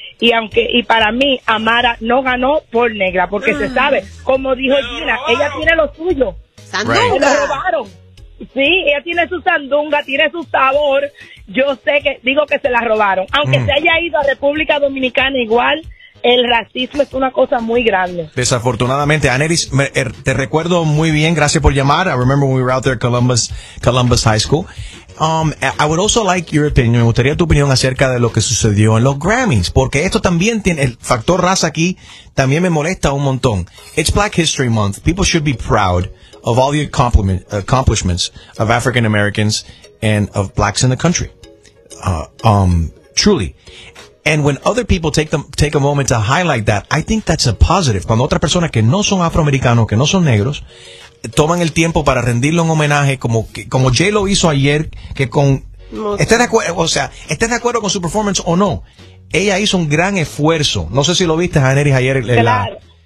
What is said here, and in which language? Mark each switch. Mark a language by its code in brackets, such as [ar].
[es] Y aunque, y para mí, Amara no ganó por negra, porque uh-huh. se sabe, como dijo Gina, ella tiene lo suyo. ¡Sandunga! ¡Lo robaron! Sí, ella tiene su sandunga, tiene su sabor. Yo sé que, digo que se la robaron. Aunque uh-huh. se haya ido a República Dominicana igual, el racismo es una cosa muy grande. Desafortunadamente, Aneris, te recuerdo muy bien. Gracias por llamar. [en] I remember when we were out there at Columbus High School. I would also like your opinion. [es] Me gustaría tu opinión acerca de lo que sucedió en los Grammys. Porque esto también tiene el factor raza aquí. También me molesta un montón. [en] It's Black History Month. People should be proud of all the accomplishments of African Americans and of blacks in the country. Truly. And when other people take a moment to highlight that, I think that's a positive. [es] Cuando otras personas que no son afroamericanos, que no son negros, toman el tiempo para rendirle un homenaje como J Lo hizo ayer, que con esté de acuerdo con su performance o no, ella hizo un gran esfuerzo. No sé si lo viste, Aneris, ayer. Claro.